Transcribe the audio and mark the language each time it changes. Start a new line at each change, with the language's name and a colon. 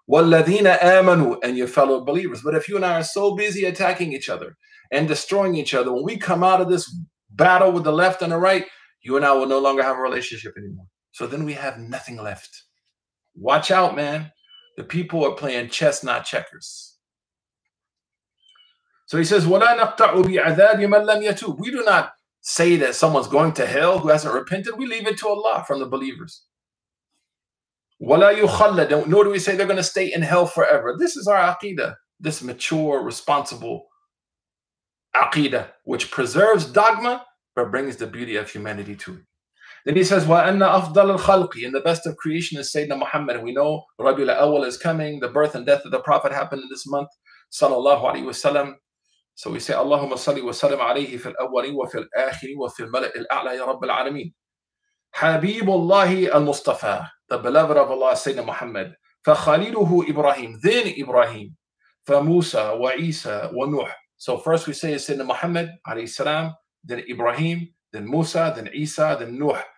English: Walladhina amanu, and your fellow believers. But if you and I are so busy attacking each other and destroying each other, when we come out of this battle with the left and the right, you and I will no longer have a relationship anymore. So then we have nothing left. Watch out, man. The people are playing chess, not checkers. So he says,
Arabic: وَلَا نَقْطَعُ بِعَذَابِ مَنْ لَمْ يَتُوبُ.
English: We do not say that someone's going to hell who hasn't repented. We leave it to Allah from the believers.
Arabic: وَلَا يُخَلَّدُ.
English: Nor do we say they're going to stay in hell forever. This is our aqidah, this mature, responsible aqidah, which preserves dogma, but brings the beauty of humanity to it. Then he says,
Arabic: وَأَنَّ أَفْضَلُ الْخَلْقِ.
English: And the best of creation is Sayyidina Muhammad. And we know Rabi al-Awwal is coming. The birth and death of the Prophet happened in this month, sallallahu alayhi wa sallam. So we say,
Arabic: اللهم صلي وسلم عليه في الأول وفي الآخر وفي الملأ الأعلى يا رب العالمين. حبيب الله المصطفى,
English: the beloved of Allah, Sayyidina Muhammad.
Arabic: فخليله إبراهيم,
English: then Ibrahim.
Arabic: فموسى وعيسى ونوح.
English: So first we say Sayyidina Muhammad عليه السلام, then Ibrahim, then Musa, then Isa, then Nuh.